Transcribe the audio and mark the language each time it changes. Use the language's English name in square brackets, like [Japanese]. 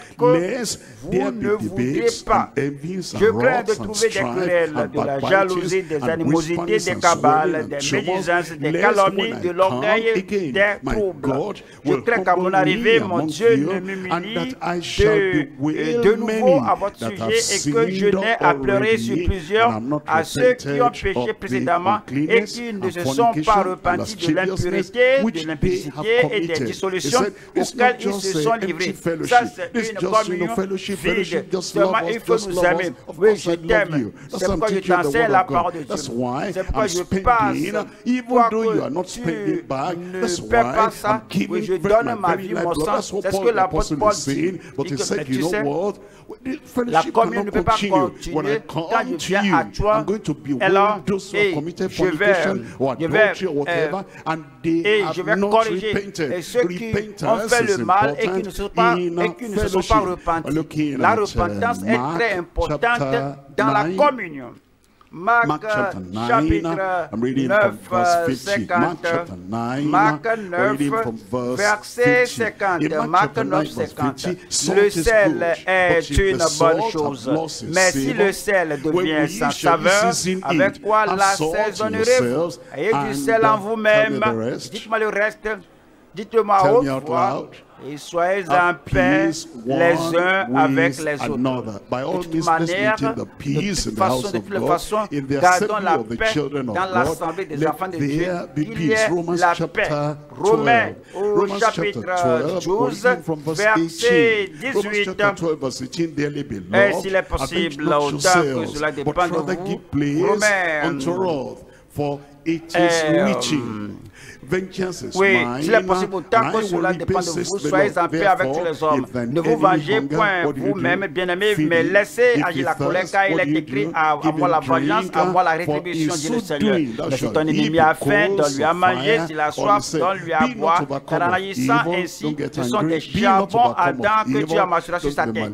[English] lest there be debates and envies and wrath and strife and backbitings and whispers and swearing and tumults, lest when I come again, my God will humble me among you, and that I shall [French] de nouveau à votre sujet et que je n'ai à pleurer sur plusieurs à ceux qui ont péché précédemment et qui ne se sont pas repentis de l'impureté, de l'impudicité et des dissolutions auxquelles ils se sont livrés. Ça, c'est une communion vide. Seulement, il faut nous aimer. Oui, je t'aime. C'est pourquoi je t'enseigne la parole de Dieu. C'est pourquoi je passe. Quoi que tu ne perds pas ça, oui, je donne ma vie, mon sang. C'est ce que l'apôtre Paul saying, [English] but he said, you know what? [French] La commune ne peut pas continuer. [English] When I come [French] quand je viens à toi, [English] I'm going to be alors, those who committed fornication or adultery or whatever, and they have not [French] corriger. [English] Repented. [French] Et ceux qui ont fait le mal et qui ne se sont pas, repentis. La repentance est très importante dans la communion. [English] Mark chapter 9, I'm reading from verse 50. Mark chapter 9, Mark 9, I'm reading from verse 50. 50. In Mark chapter 9, 9 verse 50, [French] le sel est une bonne chose. Mais si le sel devient sans saveur, avec quoi l'assaisonnerez-vous? Ayez du sel en vous-même. Dites-moi le reste. Dites-moi autrefois. Et soyez en paix les uns avec les autres. [English] By all means, let's maintain the peace in the house of God. In the assembly of the children of God, let there be peace. Romans chapter 12. Romans chapter 12, from verse 18. Romans chapter 12, verse 18. Dearly beloved, avenge not yourselves, but rather give place unto wrath, for it is written. Vengeance is [French] oui, s'il est possible, tant que cela dépend de vous, soyez en paix avec tous les hommes. Ne vous vengez point vous-même, bien-aimé, mais laissez agir la colère, car il est écrit à moi la vengeance, à moi la rétribution, dit le Seigneur. Mais si ton ennemi a faim, donne-lui à manger, s'il a soif, donne-lui à boire, car en agissant ainsi, ce sont des charbons ardents que tu amasseras sur sa tête.